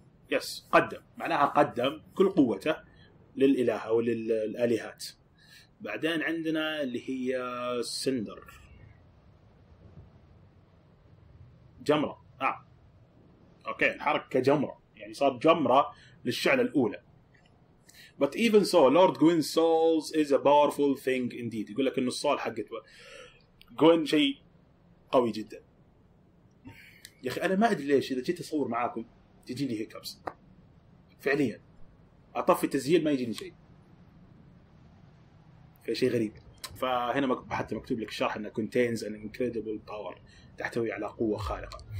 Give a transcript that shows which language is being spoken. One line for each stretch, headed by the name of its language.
Arabic: يس قدم، معناها قدم كل قوته للإله أو للآلهات. بعدين عندنا اللي هي سندر جمرة، أوكي الحركة جمرة يعني صار جمرة للشعلة الأولى.
English: But even so, Lord Gwyn's soul is a powerful thing indeed.
Arabic: يقول لك إنه الصال حقت جوين شيء قوي جدا. يا أخي أنا ما أدري ليش إذا جيت أصور معاكم تجيني هيكابس. فعليا أطفي التسجيل ما يجيني شيء. في شيء غريب. فهنا حتى مكتوب لك الشرح إنه
English: contains an incredible power،
Arabic: تحتوي على قوة خارقة.